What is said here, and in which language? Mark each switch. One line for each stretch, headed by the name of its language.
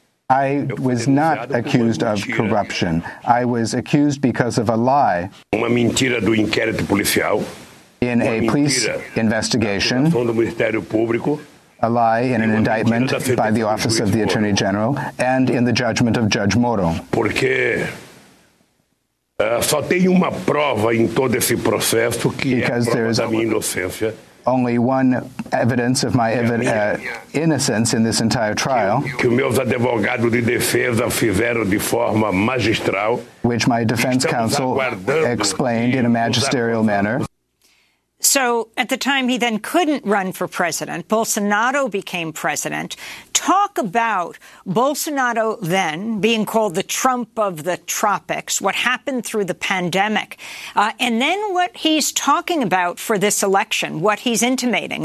English: I was not accused of corruption. I was accused because of a lie.
Portuguese: Uma mentira do inquérito policial.
English: In a police investigation.
Portuguese: Do Ministério Público.
English: A lie in an indictment by the Office of the Attorney General and in the judgment of Judge Moro.
Portuguese: Porque só tem uma prova em todo esse processo que é a prova da minha inocência.
English: Only one evidence of my innocence in this entire trial,
Portuguese: que meus advogados de defesa fizeram de forma magistral,
English: which my defense counsel explained in a magisterial manner. So at the time he then couldn't run for president, Bolsonaro became president. Talk about Bolsonaro then being called the Trump of the tropics, what happened through the pandemic, and then what he's talking about for this election, what he's intimating.